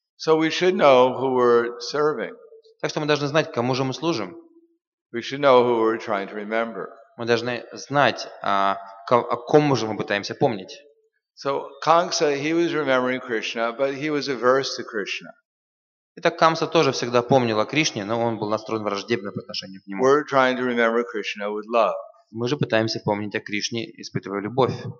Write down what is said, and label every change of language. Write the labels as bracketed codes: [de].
[en] So we should know who we're serving. [ru] Так что мы должны знать, кому же мы служим. [en] We should know who we're trying to remember. [ru] Мы должны знать, о ком же мы пытаемся помнить. [en] So Kamsa, he was remembering Krishna, but he was averse to Krishna. [ru] Итак, Камса тоже всегда помнил о Кришне, но он был настроен враждебно по отношению к нему. [en] We're trying to remember Krishna with love. [ru] Мы же пытаемся помнить о Кришне, испытывая любовь.